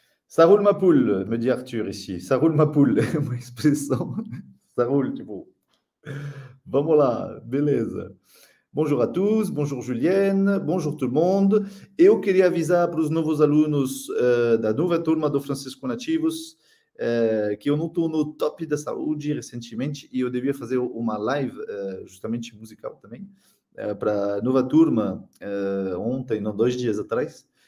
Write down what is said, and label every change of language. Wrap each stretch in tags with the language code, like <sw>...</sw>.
<fr>Ça roule ma poule, me dit Arthur ici. Ça roule ma poule,</fr> <pt>é uma expressão.</pt> <fr>Ça roule,</fr> <pt>tipo. Vamos lá, beleza.</pt> <fr>Bonjour à tous, bonjour Julienne, bonjour tout le monde.</fr> <pt>Eu queria avisar para os novos alunos da nova turma do Francisco Nativos que eu não estou no top da saúde recentemente e eu devia fazer uma live justamente musical também para a nova turma ontem, não, 2 dias atrás.</pt>